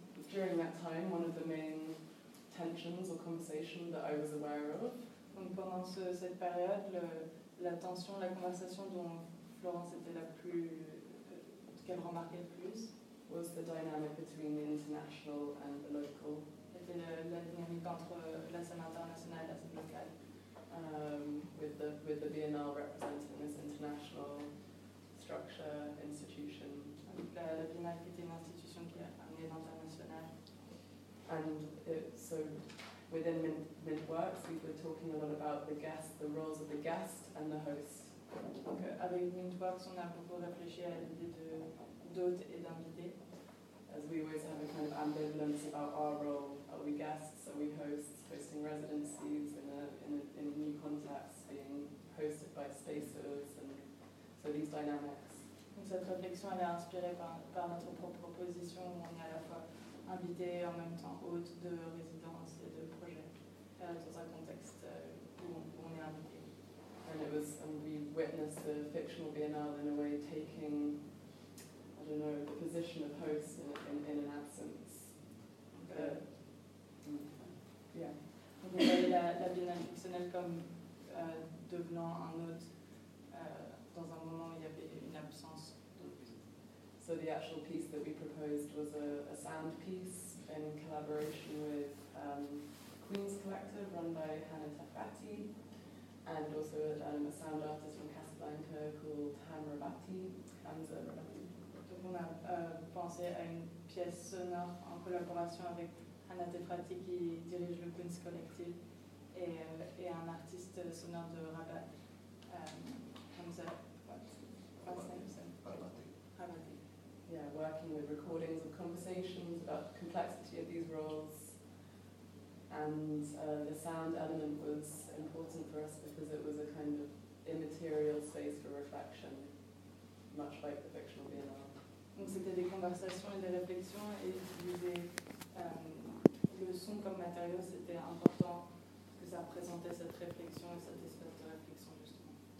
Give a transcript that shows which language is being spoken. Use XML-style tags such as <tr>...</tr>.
<en>During that time, one of the main tensions or conversation that I was aware of.</en> <fr>Donc pendant cette période, la tension, la conversation dont Florence était la plus, qu'elle remarquait le plus,</fr> <en>was the dynamic between the international and the local.</en> <fr>C'était la dynamique entre la scène internationale et la scène locale.</fr> <en>With the Biennale representing this international structure, institution.</en> <fr>La Biennale qui était une institution qui amenait l'international.</fr> <en>And so within Midworks, we were talking a lot about the guest, the roles of the guest and the host. Okay.</en> <fr>Avec Midworks, on a beaucoup réfléchi à l'idée de d'hôte et d'invité.</fr> <en>As we always have a kind of ambivalence about our role, are we guests, are we hosts, hosting residencies in a new context, being hosted by spaces, and so these dynamics.</en> <fr>Donc cette réflexion, elle est inspirée par notre propre position, où on est à la fois invité en même temps hôte de résidence et de projet dans un contexte où on est invité.</fr> <en>And we witnessed the fictional Biennale in a way taking, I don't know, the position of host in an absence. Okay. Yeah.</en> <fr>Donc, la Biennale fictionnelle comme devenant un hôte dans un moment où il y avait une absence.</fr> <en>So the actual piece that we proposed was a sound piece in collaboration with Queen's Collective, run by Hannah Tafati, and also a sound artist from Casablanca called Hamza Rabati.</en> <fr>Donc on a pensé à une pièce sonore en collaboration avec Hannah Tafati qui dirige le Queen's Collective et un artiste sonore de Rabat, Hamza Rabati.</fr> <en>Yeah, working with recordings of conversations about the complexity of these roles. And the sound element was important for us because it was a kind of immaterial space for reflection, much like the fictional Biennale.</en> <fr>Donc c'était des conversations et des réflexions, et utiliser le son comme matériau, c'était important parce que ça représentait cette réflexion et cet espace de réflexion, justement.</fr>